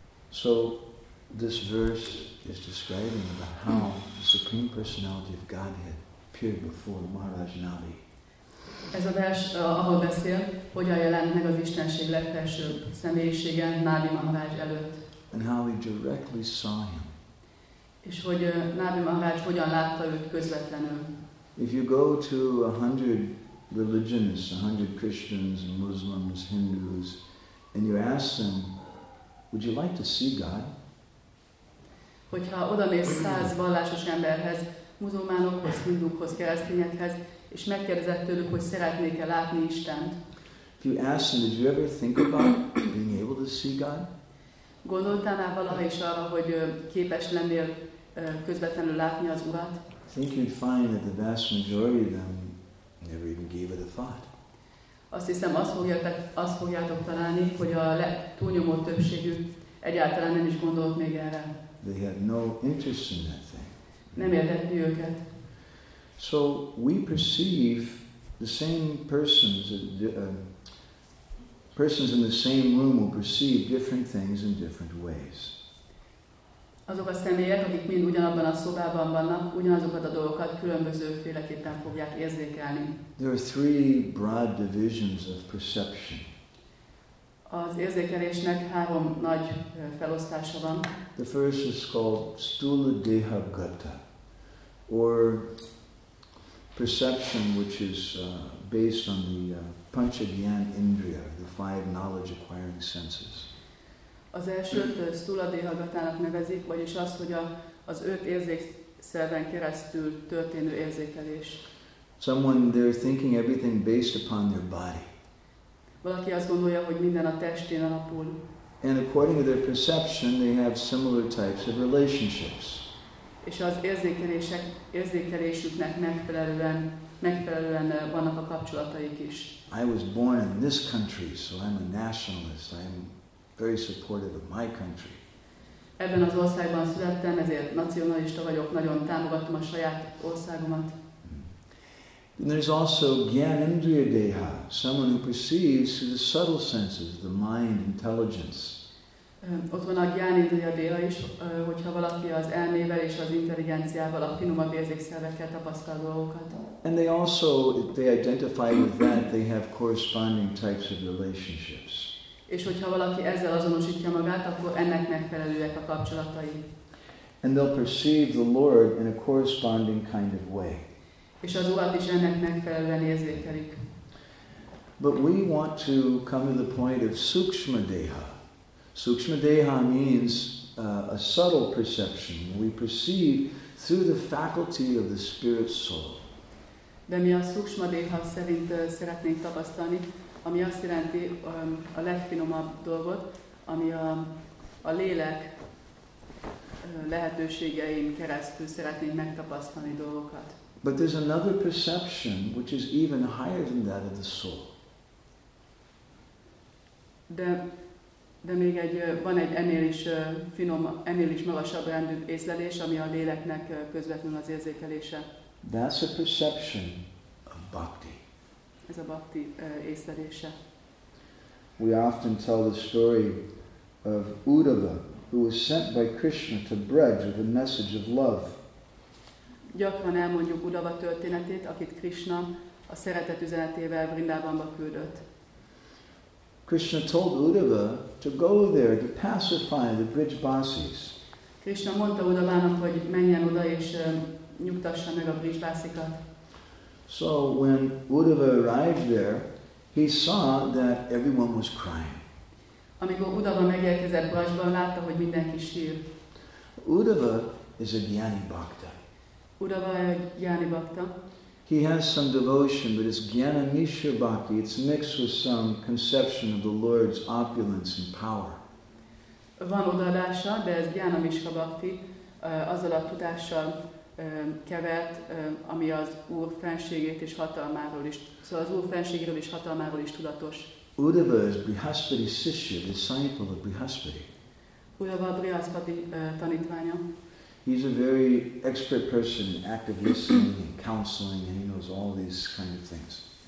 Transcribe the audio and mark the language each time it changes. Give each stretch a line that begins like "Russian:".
English: So this verse is describing about how the Supreme Personality of Godhead appeared before Maharaj Nadi.
Hungarian: Ez a vers, ahol beszél, hogyan jelent meg az Istenség legfelsőbb személyisége Nadi Maharaj előtt.
English: And how he directly saw him.
Hungarian: És hogy Nadi Maharaj hogyan látta őt közvetlenül.
English: If you go to 100 religionists, 100 Christians, Muslims, Hindus, and you ask them, would you like to see God?
Hungarian: Hogyha odamész 100 vallásos emberhez, muzulmánokhoz, hindukhoz, keresztényekhez, és megkérdezed tőlük, hogy szeretnék-e látni Istent?
English: If you ask them, did you ever think about being able to see God?
Hungarian: Gondoltál már valaha is arra, hogy képes lennél közvetlenül látni az Urat?
English: I think you'd find that the vast majority of them never even gave it a thought.
Hungarian: Azt hiszem, azt fogjátok találni, hogy a túlnyomó többségük egyáltalán nem is gondolt még erre.
English: They had no interest in that thing.
Hungarian: Nem érdekli őket.
English: So we perceive the same persons, persons in the same room will perceive different things in different ways.
Hungarian: Azok a személyek, akik mind ugyanabban a szobában vannak, ugyanazokat a dolgokat különbözőféleképpen fogják érzékelni.
English: There are three broad divisions of perception.
Hungarian: Az érzékelésnek három nagy felosztása van.
English: The first is called stula deha gata, or perception which is based on the panchagyan indriya, the five knowledge acquiring senses.
Hungarian: Az elsőt stula deha gatának nevezik, vagyis az, hogy az öt érzékszerven keresztül történő érzékelés.
English: Someone, they're thinking everything based upon their body.
Hungarian: Valaki azt gondolja, hogy minden a testén alapul.
English: And according to their perception, they have similar types of relationships.
Hungarian: És az érzékelésüknek megfelelően vannak a kapcsolataik is.
English: I was born in this country, so I'm a nationalist. I'm very supportive of my country.
Hungarian: Ebben az országban születtem, ezért nacionalista vagyok, nagyon támogatom a saját országomat.
English: And there's also gyanendriya deha, someone who perceives through the subtle senses, the mind, intelligence.
Hungarian: Ott van a gyanendriya deha is, hogyha valaki az elmével és az intelligenciával a finomabb érzékszervekkel tapasztal dolgokat.
English: And they also, if they identify with that, they have corresponding types of relationships.
Hungarian: És hogyha valaki ezzel azonosítja magát, akkor ennek megfelelőek a kapcsolatai.
English: And they'll perceive the Lord in a corresponding kind of way.
Hungarian: És az Urat is ennek megfelelően érzékelik.
English: But we want to come to the point of sukshma deha. Sukshma deha means a subtle perception. We perceive through the faculty of the spirit soul.
Hungarian: De mi a sukshma deha szerint szeretnénk tapasztalni, ami azt jelenti a legfinomabb dolgot, ami a lélek lehetőségein keresztül szeretnénk megtapasztalni dolgokat.
English: But there's another perception which is even higher than that of the soul.
Hungarian: De még egy van egy ennél is magasabb rendű észlelés, ami a léleknek közvetlenül az érzékelése.
English: That's a perception of bhakti.
Hungarian: Ez a bhakti észlelése.
English: We often tell the story of Uddhava, who was sent by Krishna to Braj with a message of love.
Hungarian: Gyakran elmondjuk Uddhava történetét, akit Krishna a szeretet üzenetével Vrindavanba küldött.
English: Krishna told Uddhava to go there to pacify the Brijbasis.
Hungarian: Krishna mondta Uddhavának, hogy menjen oda és nyugtassa meg a Brijbasikat.
English: So when Uddhava arrived there, he saw that everyone was crying.
Hungarian: Amikor Uddhava megérkezett Brajban, látta, hogy mindenki sír.
English: Uddhava is a gyani bhakta.
Hungarian: Uddhava egy gyáni bhakta.
English: He has some devotion, but it's gyanamishra bhakti. It's mixed with some conception of the Lord's opulence and power.
Hungarian: Van odaadása, de ez gyanamishra bhakti, azzal a tudással kevert, ami az Úr fenségét és hatalmáról is. Szóval az Úr fenségéről és hatalmáról is tudatos.
English: Uddhava is Brihaspati sishya, disciple of Brihaspati.
Hungarian: Uddhava Brihaspati tanítványa.
English: He's a very expert person in active listening and counseling, and he knows all these kind of things.